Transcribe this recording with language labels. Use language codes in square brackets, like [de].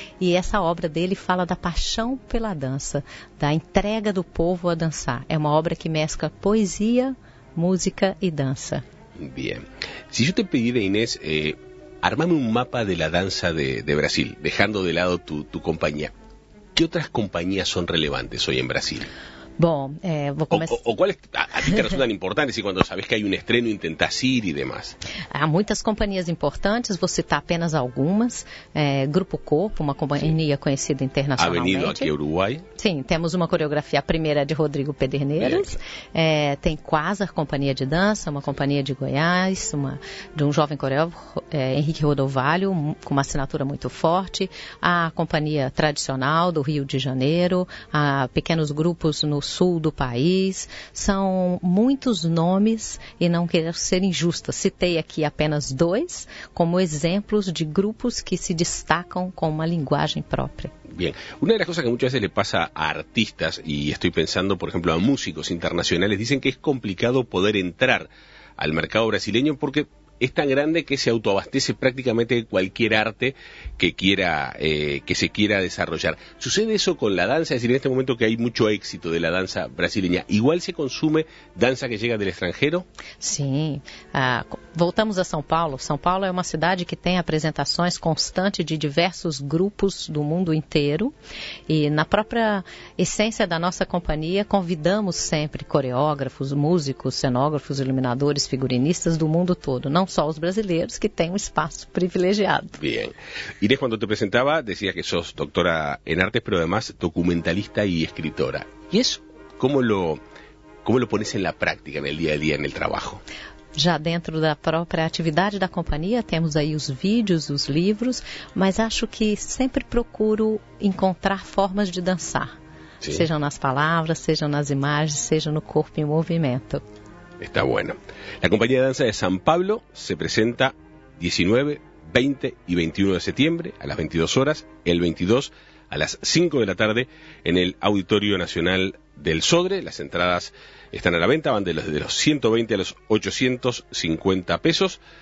[pt] E essa obra dele fala da paixão pela dança, da entrega do povo a dançar. É uma obra que mescla poesia, música e dança. [es] Bem, se eu te pedir, Inês, armame um mapa de la danza de Brasil, deixando de lado tu companhia. ¿Qué otras compañías son relevantes hoy en Brasil? Bueno, ¿cuáles a ti te resultan importantes y cuando sabes que hay un estreno intentas ir y demás? Hay muchas compañías importantes, vou citar apenas algunas. Grupo Corpo, una compañía conocida internacionalmente. ¿Ha venido aquí a Uruguay? Sí, tenemos una coreografía primera de Rodrigo Pederneiras. Tem Quasar, compañía de danza, una compañía de Goiás, de un joven coreógrafo, Henrique Rodovalho, con una assinatura muy fuerte. [pt] A compañía tradicional do Rio de Janeiro, a pequeños grupos no sul do país, são muitos nomes e não quero ser injusta, citei aqui apenas dois como exemplos de grupos que se destacam com uma linguagem própria. [es] Bien, una de las cosas que muchas veces le pasa a artistas, y estoy pensando por ejemplo a músicos internacionales, dicen que es complicado poder entrar al mercado brasileño porque es tan grande que se autoabastece prácticamente cualquier arte que quiera que se quiera desarrollar. ¿Sucede eso con la danza? Es decir, en este momento que hay mucho éxito de la danza brasileña, ¿igual se consume danza que llega del extranjero? [pt] Sí. Voltamos a São Paulo. São Paulo é uma cidade que tem apresentações constantes de diversos grupos do mundo inteiro. E na própria essência da nossa companhia, convidamos sempre coreógrafos, músicos, cenógrafos, iluminadores, figurinistas do mundo todo. Não só os brasileiros, que têm um espaço privilegiado. [es] Bien. Inés, quando te apresentava, decías que sos doctora en artes, pero además documentalista e escritora. ¿Y eso cómo lo pones en la práctica, en el día a día, en el trabajo? [pt] Já dentro da própria atividade da companhia, temos aí os vídeos, os livros, mas acho que sempre procuro encontrar formas de dançar. Sim. Seja nas palavras, seja nas imagens, seja no corpo em movimento. [es] Está bueno. La compañía de danza de San Pablo se presenta 19, 20 y 21 de septiembre a las 22 horas, el 22 a las 5 de la tarde en el Auditorio Nacional del Sodre. Las entradas están a la venta, van de los 120 a los 850 pesos.